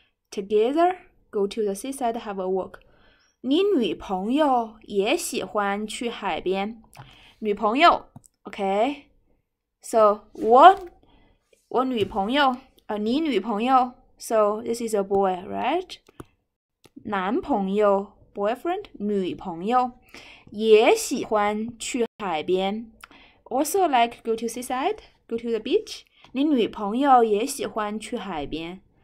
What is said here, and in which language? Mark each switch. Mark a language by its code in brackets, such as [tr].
[en] Together, go to the seaside, have a walk. [zh] 你女朋友也喜欢去海边。女朋友，OK。So 我女朋友，你女朋友。 [en] So this is a boy, right? [zh] 男朋友， [en] boyfriend， [zh] 女朋友也喜欢去海边。 [en] Also like go to seaside, go to the beach. [zh] 你女朋友也喜欢去海边。